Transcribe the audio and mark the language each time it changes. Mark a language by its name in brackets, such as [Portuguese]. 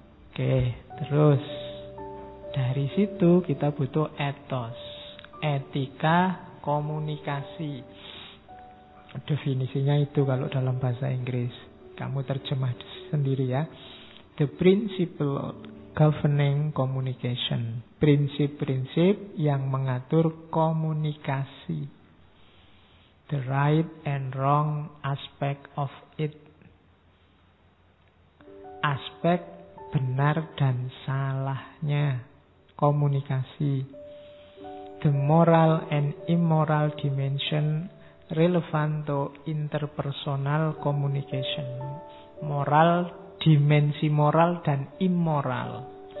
[Indonesian] Oke, terus dari situ kita butuh ethos, etika komunikasi. Definisinya itu kalau dalam bahasa Inggris. Kamu terjemah sendiri ya. [English] The principle governing communication. [Indonesian] Prinsip-prinsip yang mengatur komunikasi. [English] The right and wrong aspect of it. [Indonesian] Aspek benar dan salahnya komunikasi. [English] The moral and immoral dimension relevant to interpersonal communication. [Indonesian] Moral, dimensi moral dan immoral.